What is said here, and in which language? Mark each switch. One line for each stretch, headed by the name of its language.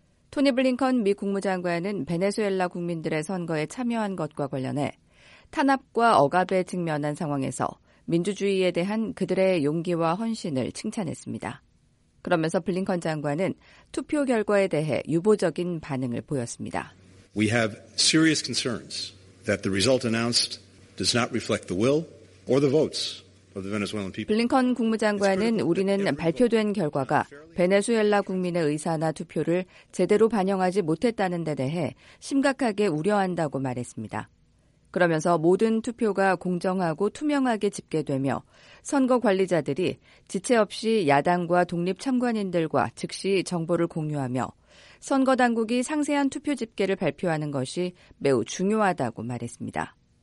Korean: 토니 블링컨 미 국무장관은 베네수엘라 국민들의 선거에 참여한 것과 관련해 탄압과 억압에 직면한 상황에서 민주주의에 대한 그들의 용기와 헌신을 칭찬했습니다. 그러면서 블링컨 장관은 투표 결과에 대해 유보적인 반응을 보였습니다.
English: We have serious concerns that the result announced does not reflect the will or the votes of the Venezuelan people.
Korean: 블링컨 국무장관은 우리는 발표된 결과가 베네수엘라 국민의 의사나 투표를 제대로 반영하지 못했다는 데 대해 심각하게 우려한다고 말했습니다. 그러면서 모든 투표가 공정하고 투명하게 집계되며 선거 관리자들이 지체 없이 야당과 독립 참관인들과 즉시 정보를 공유하며 선거 당국이 상세한 투표 집계를 발표하는 것이 매우 중요하다고 말했습니다.